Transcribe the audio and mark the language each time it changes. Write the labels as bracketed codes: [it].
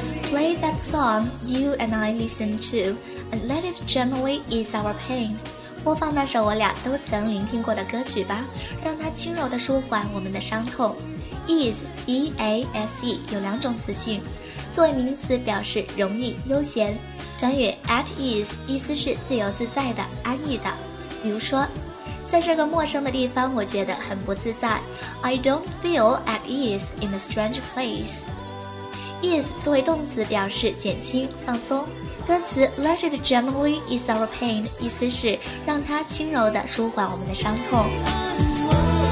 [en] Play that song you and I listen to, and let it gently ease our pain. [zh] 播放那首我俩都曾聆听过的歌曲吧，让它轻柔地舒缓我们的伤痛。 Ease, E-A-S-E, 有两种词性，作为名词表示容易、悠闲。短语 at ease, 意思是自由自在的、安逸的。比如说，在这个陌生的地方我觉得很不自在。 [en] I don't feel at ease in a strange place. [zh] Ease 作为动词表示减轻、放松。歌词 [en] Let it gently ease our pain, [zh] 意思是让它轻柔地舒缓我们的伤痛。